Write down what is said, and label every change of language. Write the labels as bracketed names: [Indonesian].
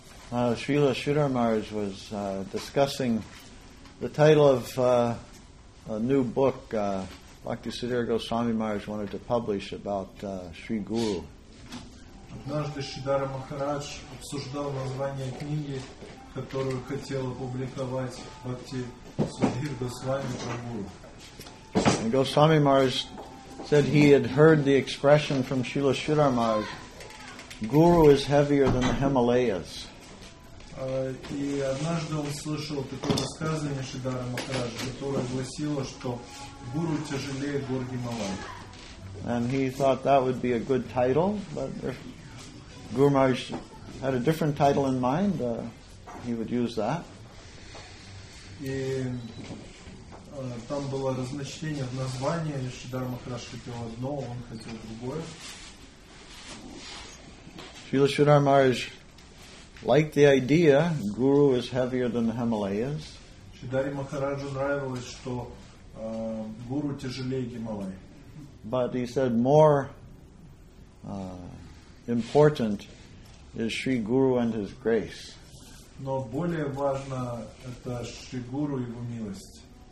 [English] Srila Sridhar Maharaj was discussing the title of a new book Bhaktisiddhar Goswami Maharaj wanted to publish about Sri Guru. [Russian] Однажды Шридхара Махарадж обсуждал название книги, которую хотел опубликовать Бхактисиддхар Госвами про Гуру. [English] And Goswami Maharaj said he had heard the expression from Srila Sridhar Maharaj, Guru is heavier than the Himalayas. [Russian] И однажды он слышал такое высказывание Шридхара Махараджа, которое гласило, что Гуру тяжелее гор Гималай. [English] And he thought that would be a good title, but if Guru Maharaj had a different title in mind, he would use that. [Russian] И там было разночтение в названии, Шридхара Махарадж хотел одно, он хотел другое. [English] Srila Sridhar Maharaj liked the idea, Guru is heavier than the Himalayas. [Russian] Шридхара Махараджу нравилось, что Гуру тяжелее Гималай. [English] But he said more important is Sri Guru and His grace. [Russian] Но более важно это Шри Гуру и Его милость.